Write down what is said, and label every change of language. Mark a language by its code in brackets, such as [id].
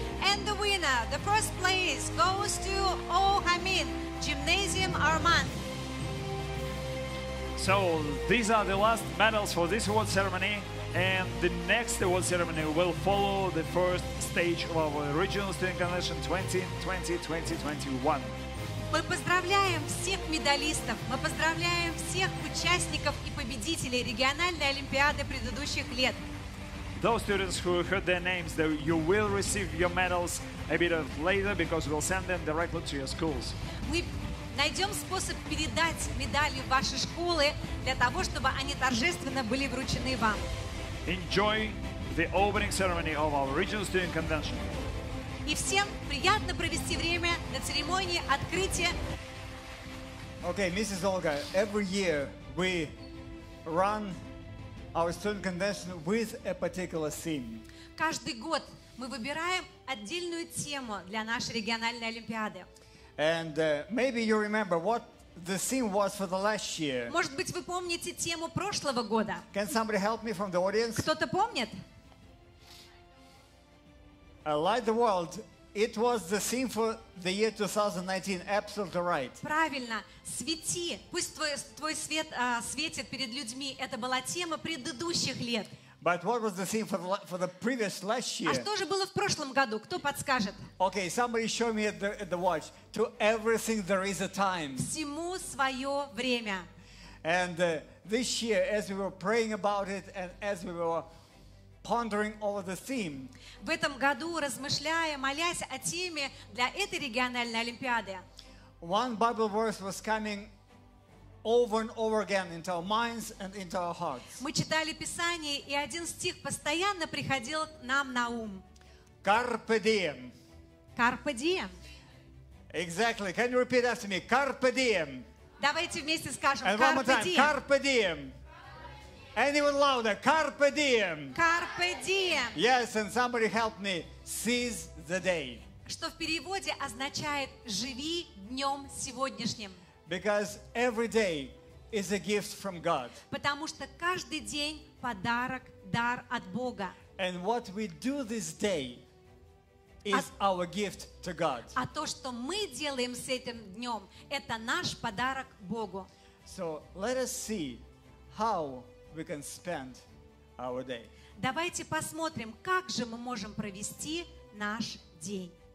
[en] And the winner, the first place, goes to Oh Hamin, Gymnasium Arman. So these are the last medals for this award ceremony. And the next award ceremony will follow the first stage of our Regional Student Convention 2020-2021. [ru] Мы поздравляем всех медалистов, мы поздравляем всех участников и победителей региональной олимпиады предыдущих лет. [en] Those students who heard their names, you will receive your medals a bit of later because we'll send them directly to your schools. [ru] Мы найдем способ передать медали в ваши школы для того, чтобы они торжественно были вручены вам. [en] Enjoy the opening ceremony of our Regional Student Convention. [ru] И всем приятно провести время на церемонии открытия. [en] Okay, Mrs. Olga, every year we run our student convention with a particular theme. [ru] Каждый год мы выбираем отдельную тему для нашей региональной олимпиады. [en] And maybe you remember what the theme was for the last year. [ru] Может быть, вы помните тему прошлого года? [en] Can somebody help me from the audience? [ru] Кто-то помнит? [en] Light the World. It was the theme for the year 2019. Absolutely right. [ru] Правильно. Свети. Пусть твой свет светит перед людьми. Это была тема предыдущих лет. [en] But what was the theme for the previous last year? [ru] А что же было в прошлом году? Кто подскажет? [en] Okay, somebody show me at the watch. To everything there is a time. [ru] Всему свое время. [en] And this year, as we were praying about it, and as we were pondering over the theme. [ru] В этом году, размышляя, молясь о теме для этой региональной олимпиады. [en] One Bible verse was coming over and over again into our minds and into our hearts. [ru] Мы читали Писание, и один стих постоянно приходил нам на ум. [la] Carpe diem. Carpe diem. [en] Exactly. Can you repeat after me? [la] Carpe diem. [ru] Давайте вместе скажем. [en] And one more time. [la] Carpe diem. [en] Anyone louder? [la] Carpe diem. Carpe diem. [en] Yes, and somebody help me. Seize the day. [ru] что в переводе означает «живи днем сегодняшним». [en] Because every day is a gift from God. [ru] Потому что каждый день подарок, дар от Бога. [en] And what we do this day is our gift to God. [ru] А то, что мы делаем с этим днем, это наш подарок Богу. [en] So let us see how we can spend our day. [ru] Давайте посмотрим, как же мы можем провести наш день.